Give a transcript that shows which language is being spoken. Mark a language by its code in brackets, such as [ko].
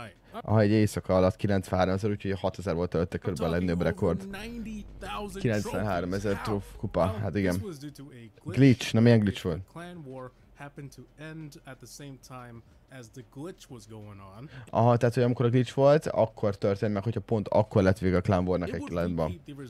[hu] Aha, egy éjszaka alatt 93 ezer, úgyhogy 6 ezer volt előtte körülbelül a legnagyobb rekord. 93 ezer truff kupa, hát igen. Glitch, na milyen glitch volt? [en] Happened to end at the same time as the glitch was going on. [hu] Aha, tehát hogy amikor a glitch volt, akkor történt meg, hogyha pont akkor lett vége a Clan War-nak egy klánban.